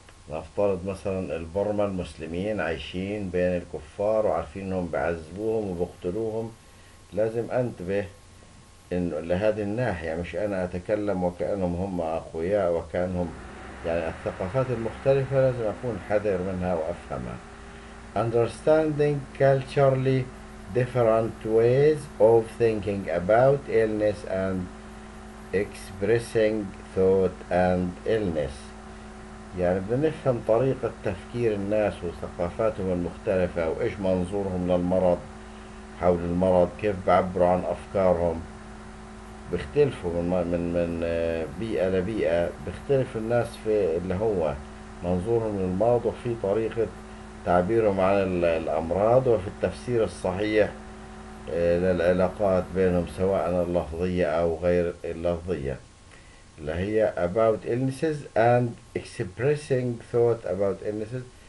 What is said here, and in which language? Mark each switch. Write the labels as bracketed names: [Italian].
[Arabic] نفترض مثلا البرما المسلمين عايشين بين الكفار وعارفين انهم بيعذبوهم وبقتلوهم، لازم انتبه انه لهذه الناحية، مش انا اتكلم وكأنهم هم اخوياء وكأنهم، يعني الثقافات المختلفة لازم اكون حذر منها وافهمها. [English] Understanding culturally different ways of thinking about illness and expressing thought and illness. [Arabic] يعني بدنا نفهم طريقة تفكير الناس وثقافاتهم المختلفة وإيش منظورهم للمرض، حول المرض كيف بعبروا عن أفكارهم. بيختلفوا من بيئة لبيئة، بيختلف الناس في اللي هو منظورهم للمرض وفي طريقة تعبيرهم عن الأمراض وفي التفسير الصحيح للعلاقات بينهم سواء اللفظية أو غير اللفظية، اللي هي [English] about illnesses and expressing thought about illnesses.